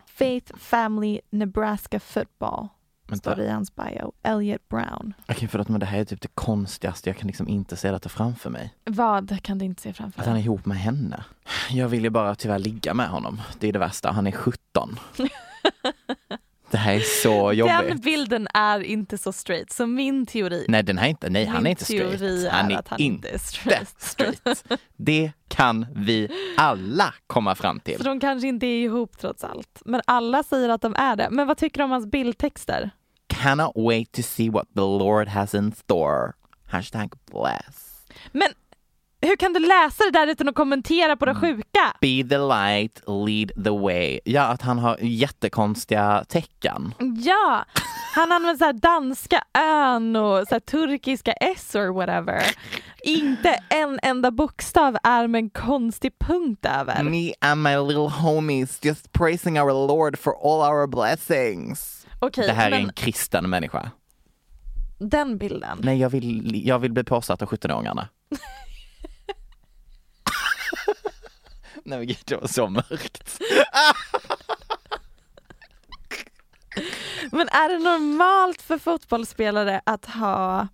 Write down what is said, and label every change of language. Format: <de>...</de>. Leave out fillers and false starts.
<en>Faith Family Nebraska Football.</en> <sv>Vänta. Står i hans bio. Elliot Brown. Okay, förlåt, men det här är typ det konstigaste. Jag kan liksom inte se detta framför mig. Vad kan du inte se framför dig? Att han är ihop med henne. Jag vill ju bara tyvärr ligga med honom. Det är det värsta. Han är 17. Det här är så jobbigt. Den bilden är inte så straight. Så min teori... Nej, den här inte. Nej, han är inte straight. Han är att han inte är straight. Det kan vi alla komma fram till. Så de kanske inte är ihop trots allt. Men alla säger att de är det. Men vad tycker du om hans bildtexter?</sv> <en>Cannot wait to see what the Lord has in store. Hashtag bless.</en> <sv>Men hur kan du läsa det där utan att kommentera på det sjuka?</sv> <en>Be the light, lead the way.</en> <sv>Ja, att han har jättekonstiga tecken. Ja, han använder så här danska ön och så här turkiska S</sv> <en>or whatever.</en> <sv>Inte en enda bokstav är med en konstig punkt över.</sv> <en>Me and my little homies just praising our Lord for all our blessings. Okay,</en> <sv>det här är en kristen människa. Den bilden. Nej, jag vill bli påsatt av 17-åringarna. Nej, men det var så mörkt. Men är det normalt för fotbollsspelare att ha...</sv>